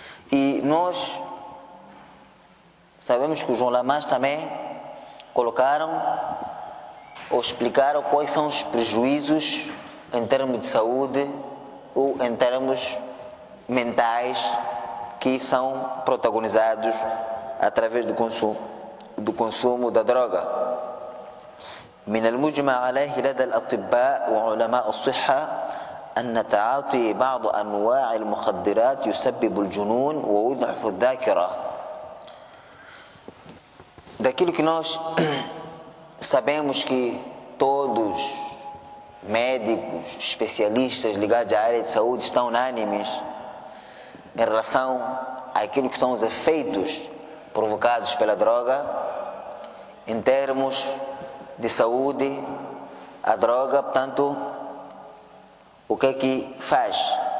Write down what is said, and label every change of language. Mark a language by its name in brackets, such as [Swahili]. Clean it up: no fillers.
[Portuguese] E nós sabemos que os ulamás também colocaram ou explicaram quais são os prejuízos em termos de saúde ou em termos mentais que são protagonizados através do consumo, da droga. [Arabic] من المجمع عليه لدى الأطباء وعلماء الصحة أن تعاطي بعض أنواع المخدرات يسبب الجنون ويضعف الذاكرة. [Portuguese] Daquilo que nós sabemos que todos médicos, especialistas ligados à área de saúde estão unânimes em relação àquilo que são os efeitos provocados pela droga, em termos de saúde, a droga, portanto, o que é que faz?